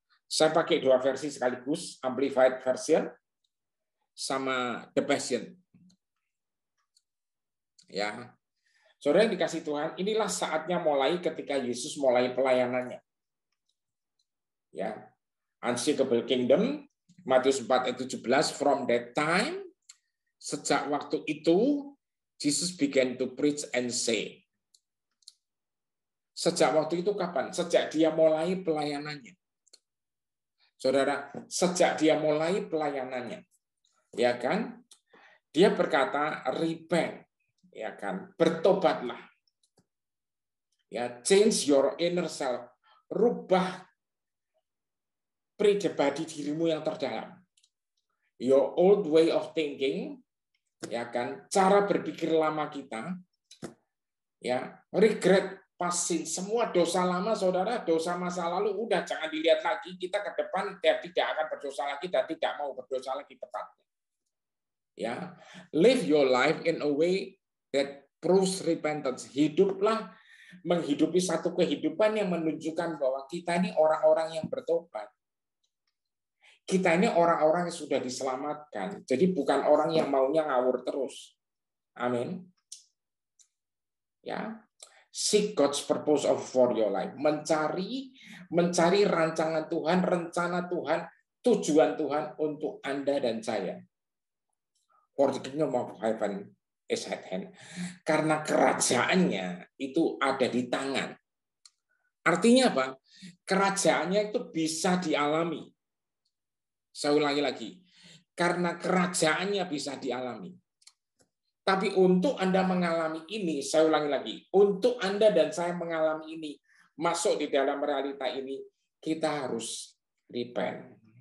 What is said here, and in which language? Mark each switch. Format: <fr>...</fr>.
<id>Saya pakai dua versi sekaligus, Amplified Version sama The Passion. Ya. Saudara yang dikasih Tuhan, inilah saatnya mulai ketika Yesus mulai pelayanannya. Ya.</id> <en>Unshakable Kingdom, Matius 4 ayat 17, from that time,</en> <id>sejak waktu itu</id> <en>Jesus began to preach and say.</en> <id>Sejak waktu itu kapan? Sejak dia mulai pelayanannya. Saudara, sejak dia mulai pelayanannya. Ya kan? Dia berkata, repent. Ya kan? Bertobatlah.</id> <en>Ya, change your inner self.</en> <id>Rubah pribadi dirimu yang terdalam.</id> <en>Your old way of thinking.</en> <id>Ya kan, cara berpikir lama kita, ya,</id> <en>regret past sin,</en> <id>semua dosa lama, saudara, dosa masa lalu udah jangan dilihat lagi, kita ke depan ya, tidak akan berdosa lagi dan tidak mau berdosa lagi tepatnya.</id> <en>Ya, live your life in a way that proves repentance.</en> <id>Hiduplah menghidupi satu kehidupan yang menunjukkan bahwa kita ini orang-orang yang bertobat. Kita ini orang-orang yang sudah diselamatkan. Jadi bukan orang yang maunya ngawur terus.</id> <en>Amin. Ya. Seek God's purpose of for your life.</en> <id>Mencari rancangan Tuhan, rencana Tuhan, tujuan Tuhan untuk Anda dan saya.</id> <en>For the kingdom of heaven is at hand.</en> <id>Karena kerajaannya itu ada di tangan. Artinya apa? Kerajaannya itu bisa dialami. Saya ulangi lagi, karena kerajaannya bisa dialami. Tapi untuk Anda mengalami ini, saya ulangi lagi, untuk Anda dan saya mengalami ini, masuk di dalam realita ini, kita harus repent.</id>